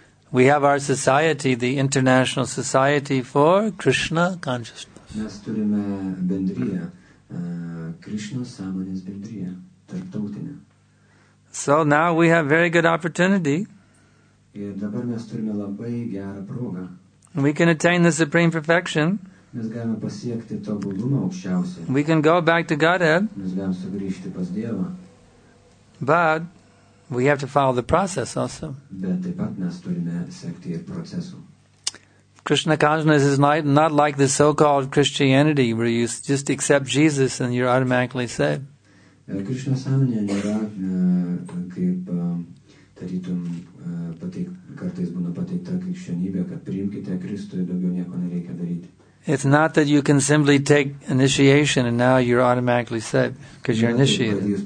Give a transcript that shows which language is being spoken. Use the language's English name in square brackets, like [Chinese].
[English] We have our society, the International Society for Krishna Consciousness. [Lithuanian] Mes turime bendriją, Krishna sąmonės bendriją, tarptautinę. [English] So now we have very good opportunity. [Lithuanian] Ir dabar mes turime labai gerą progą. [English] We can attain the supreme perfection. [Lithuanian] Mes galime pasiekti tobulumą aukščiausią. [English] We can go back to Godhead. [Lithuanian] Mes galime sugrįžti pas Dievą. [English] But we have to follow the process also. [Lithuanian] Bet taip pat mes turime sekti ir procesu. [English] Krishna consciousness is not like the so-called Christianity where you just accept Jesus and you're automatically saved. [Lithuanian] Krishna sąmonė nėra kaip tarytum kartais būna pateikta krikščionybė, kad priimkite Kristų ir daugiau nieko nereikia daryti. [English] It's not that you can simply take initiation and now you're automatically saved because you're initiated.